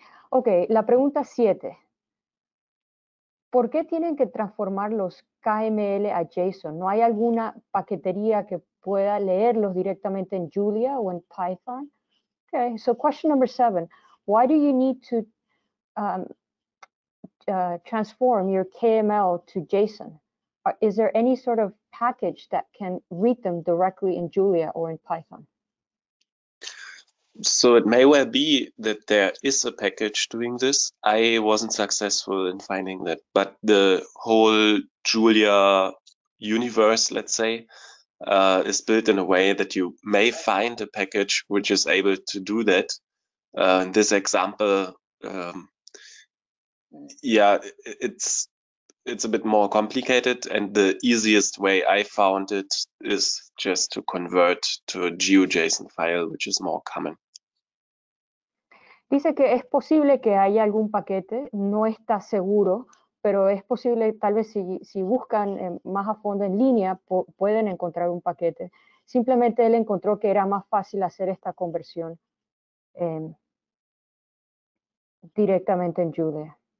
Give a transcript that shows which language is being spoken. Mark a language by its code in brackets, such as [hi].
[es] Ok, la pregunta 7. ¿Por qué tienen que transformar los KML a JSON? ¿No hay alguna paquetería que pueda leerlos directamente en Julia o en Python? [en] Ok, so question number 7. Why do you need to transform your KML to JSON? Is there any sort of package that can read them directly in Julia or in Python? So it may well be that there is a package doing this. I wasn't successful in finding that, but the whole Julia universe, let's say, is built in a way that you may find a package which is able to do that. In this example, it's a bit more complicated, and the easiest way I found it is just to convert to a GeoJSON file, which is more common. [es] Dice que es posible que haya algún paquete, no está seguro, pero es posible, tal vez si buscan más a fondo en línea, pueden encontrar un paquete. Simplemente él encontró que era más fácil hacer esta conversión directamente en Julia.